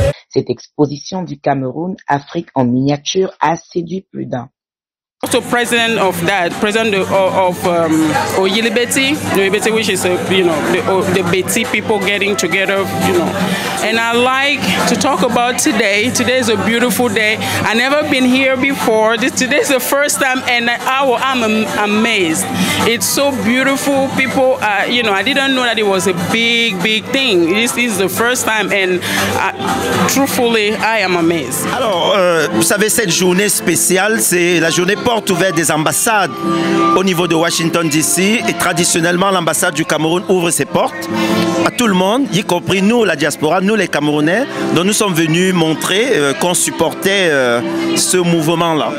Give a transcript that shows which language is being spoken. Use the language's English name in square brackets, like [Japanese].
[French] Cette exposition du Cameroun, Afrique en miniature, a séduit plus d'un. [English] Also president of that, president of Oyilibeti, Oyilibeti, which is, the Beti people getting together, And I like to talk about today. Today is a beautiful day. I never been here before. Today is the first time, and I'm amazed. It's so beautiful. People, I didn't know that it was a big, big thing. This is the first time, and truthfully, I am amazed. [French] Alors, vous savez, cette journée spéciale, c'est la journée porte ouverte des ambassades au niveau de Washington DC, et traditionnellement l'ambassade du Cameroun ouvre ses portes à tout le monde, y compris nous, la diaspora, nous les Camerounais, dont nous sommes venus montrer qu'on supportait ce mouvement-là.